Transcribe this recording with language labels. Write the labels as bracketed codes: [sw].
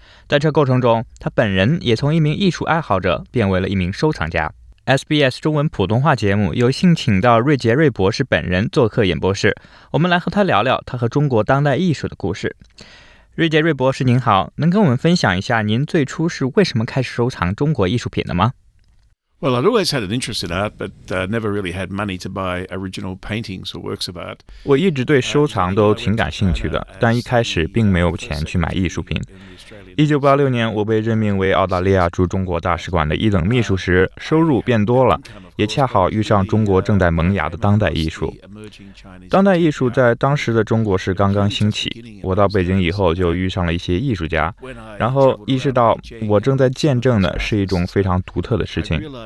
[zh] 在这过程中，他本人也从一名艺术爱好者变为了一名收藏家。 SBS 中文普通话节目有幸请到瑞杰瑞博士本人做客演播室，我们来和他聊聊他和中国当代艺术的故事。瑞杰瑞博士您好，能跟我们分享一下您最初是为什么开始收藏中国艺术品的吗？ [en] Well, I'd always had an interest in art, but never really had money to buy original paintings or works of art. [zh] 我一直对收藏都挺感兴趣的，但一开始并没有钱去买艺术品。 1986年我被任命为澳大利亚驻中国大使馆的一等秘书时，收入变多了，也恰好遇上中国正在萌芽的当代艺术。当代艺术在当时的中国是刚刚兴起，我到北京以后就遇上了一些艺术家，然后意识到我正在见证的是一种非常独特的事情。